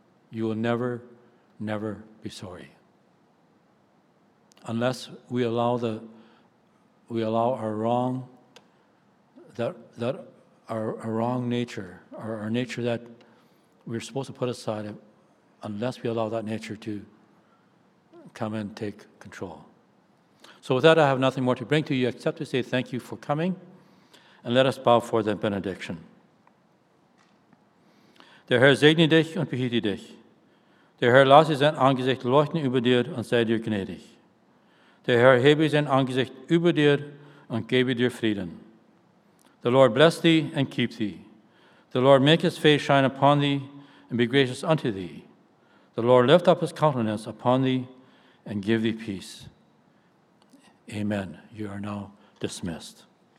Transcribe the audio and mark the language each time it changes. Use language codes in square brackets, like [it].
[en] You will never be sorry. Unless we allow our wrong, that our wrong nature, our nature that we're supposed to put aside, unless we allow that nature to come and take control. So with that, I have nothing more to bring to you except to say thank you for coming, and let us bow for the benediction. [de] Der Herr segne dich und behüte dich. Der Herr lasse sein Angesicht leuchten über dir und sei dir gnädig. Der Herr hebe sein Angesicht über dir und gebe dir Frieden. [en] The Lord bless thee and keep thee. The Lord make his face shine upon thee and be gracious unto thee. The Lord lift up his countenance upon thee and give thee peace. Amen. You are now dismissed.